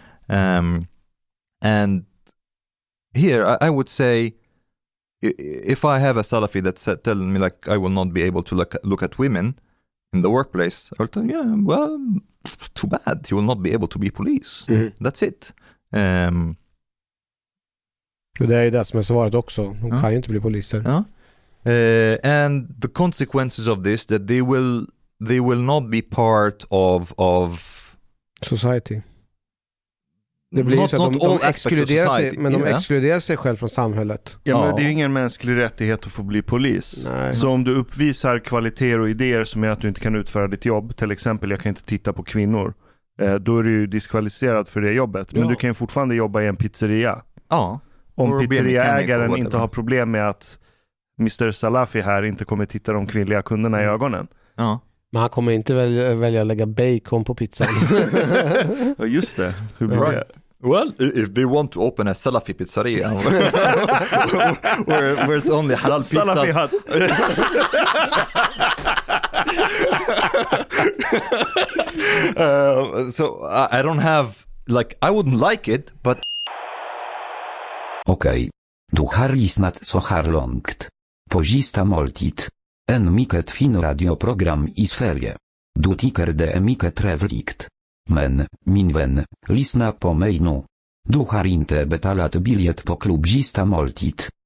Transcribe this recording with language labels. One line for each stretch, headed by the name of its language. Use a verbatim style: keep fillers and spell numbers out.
English: Um, and here I, I would say if I have a Salafi that's telling me like I will not be able to look, look at women in the workplace, I'll tell you, yeah, well, too bad. You will not be able to be police. Mm-hmm. That's it. Um,
Swedish: Det är ju det som är svaret också. De kan ju inte bli poliser.
English: Uh, uh, and the consequences of this that they will they will not be part of of society.
Swedish: Det blir not, så att de, de exkluderar sig, men de yeah. exkluderar sig själv från samhället. Ja, men oh. det är ju ingen mänsklig rättighet att få bli polis. Nej. Så om du uppvisar kvaliteter och idéer som är att du inte kan utföra ditt jobb, till exempel jag kan inte titta på kvinnor, då är du ju diskvalificerad för det jobbet. Men ja. Du kan ju fortfarande jobba i en pizzeria. Ja. Oh. Om pizzeriaägaren inte har problem med att mister Salafi här inte kommer titta de kvinnliga kunderna mm. i ögonen. Ja. Men han kommer inte välja, välja att lägga bacon på pizzan. Ja, just det. Hur blir
English: right. det? Well, if they want to open a Salafi pizzeria where, where it's only halal pizzas. Salafi hut. uh, so I, I don't have, like, I wouldn't like it, but
Swedish: Okej. Okay. Du har lyssnat så här långt. På sista måltid. En mycket fin radioprogram i Sverige. Du tycker det är mycket trevligt. Men, min vän, lyssna på mig nu. Du har inte betalat biljet på klubb sista måltid.